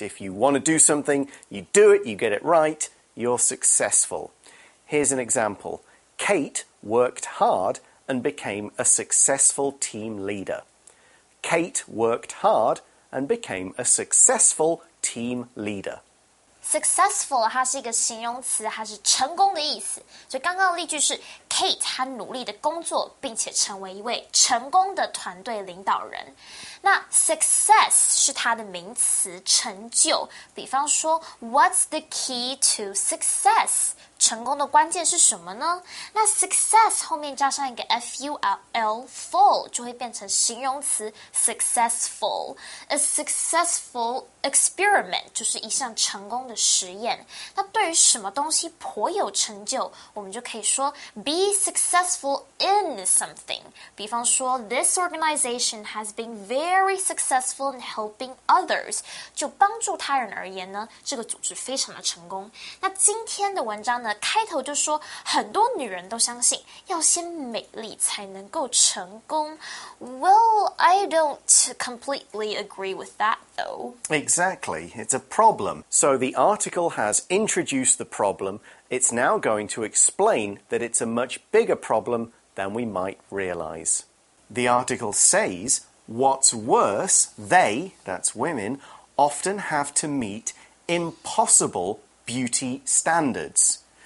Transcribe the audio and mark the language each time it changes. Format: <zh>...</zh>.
<en>If you want to do something, you do it, you get it right, you're successful. Here's an example. Kate worked hard and became a successful team leader. Kate worked hard and became a successful team leader.</en> <zh>Successful 它是一个形容词，它是成功的意思。所以刚刚的例句是 Kate 她努力的工作，并且成为一位成功的团队领导人。那 success 是它的名词，成就。比方说</zh> <en>，What's the key to success？</en> <zh>成功的关键是什么呢？那 success 后面加上一个 ful, full 就会变成形容词 successful.</zh> <en>A successful experiment</en> <zh>就是一项成功的实验。那对于什么东西颇有成就，我们就可以说</zh> <en>be successful in something.</en> <zh>比方说</zh> <en>this organization has been very successful in helping others.</en> <zh>就帮助他人而言呢，这个组织非常的成功。那今天的文章呢，开头就说很多女人都相信要先美丽才能够成功。</zh> <en>Well, I don't completely agree with that, though. Exactly. It's a problem. So the article has introduced the problem. It's now going to explain that it's a much bigger problem than we might realize. The article says, what's worse, they, that's women, often have to meet impossible beauty standards.</en>